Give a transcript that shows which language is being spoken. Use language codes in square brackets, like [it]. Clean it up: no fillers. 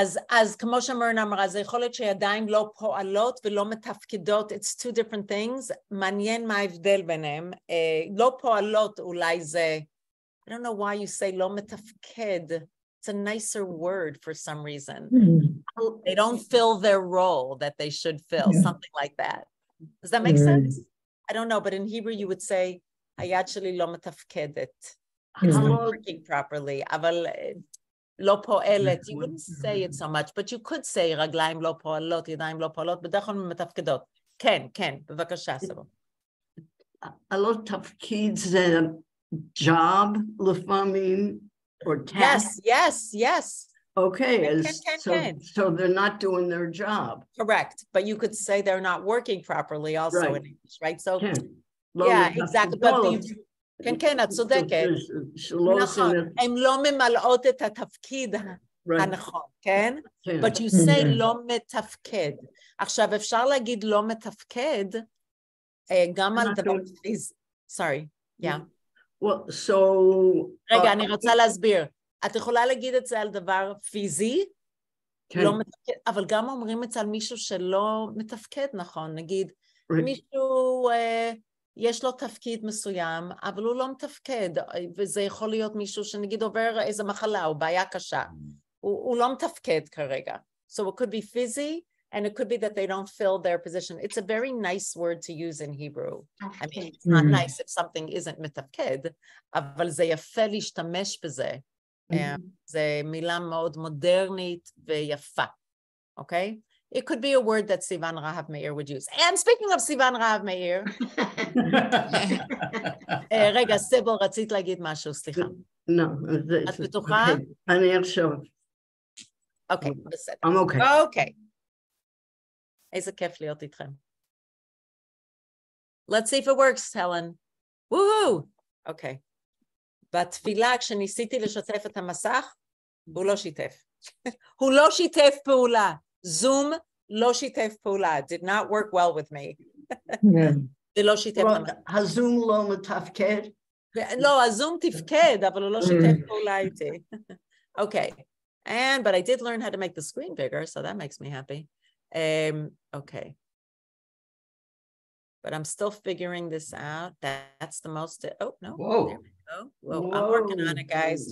[he] אז כמו שמרן אמרה, זה יכול להיות שידיים לא פועלות ולא מתפקדות, [en] it's two different things, [he] מעניין מה ההבדל ביניהם, לא פועלות אולי זה, [en] I don't know why you say [he] לא מתפקד, [en] it's a nicer word for some reason, they don't fill their role that they should fill, yeah. Something like that, does that make sense? I don't know, but in Hebrew you would say, [he] היד שלי לא מתפקדת, [en] it's not working properly, [he] אבל... לא פועלת, [en] you wouldn't say it so much, but you could say [he] רגליים לא פועלות, ידיים לא פועלות, בדרך כלל מתפקדות. כן, כן, בבקשה, סבו. הלא תפקיד זה job לפעמים, [en] or task? Yes, yes, yes. Okay, so they're not doing their job. Correct, but you could say they're not working properly also in English, right? So, exactly, but the... [he] כן, כן, את צודקת. נכון, הן לא ממלאות את התפקיד הנכון, כן? [en] But you say [he] לא מתפקד. עכשיו, אפשר להגיד לא מתפקד, גם על דבר פיז... [en] Sorry, So... [he] רגע, אני רוצה להסביר. את יכולה להגיד את זה על דבר פיזי? לא מתפקד, אבל גם אומרים את זה על מישהו שלא מתפקד, נכון? נגיד, מישהו... יש לו תפקיד מסוים, אבל הוא לא מתפקד, וזה יכול להיות מישהו שנגיד עובר איזה מחלה או בעיה קשה. הוא לא מתפקד כרגע. [en] So it could be physi, and it could be that they don't fill their position. It's a very nice word to use in Hebrew. I mean, it's not nice if something isn't [he] מתפקד, אבל זה יפה להשתמש בזה. זה מילה מאוד מודרנית ויפה, אוקיי? [en] It could be a word that Sivan Rahav Meir would use. And speaking of [he] Sivan Rahav Meir, רגע, סבו, רצית להגיד משהו, סליחה. [en] No. [he] את בטוחה? אני ארשום. Okay, בסדר. [en] I'm okay. [he] Okay. איזה כיף להיות איתכם. [en] Let's see if it works, Helen. Woohoo! Okay. [he] בתפילה, כשניסיתי לשתף את המסך, הוא לא שיתף. הוא לא שיתף פעולה. [en] Zoom [he] לא שיתף פעולה, [en] did not work well with me. [he] זה לא שיתף פעולה. הזום לא מתפקד? לא, הזום תפקד, אבל הוא לא שיתף פעולה איתי. [en] Okay, but I did learn how to make the screen bigger, so that makes me happy. Okay. But I'm still figuring this out. That's the most... Oh, no. Whoa. There we go. Whoa. I'm working on it, guys.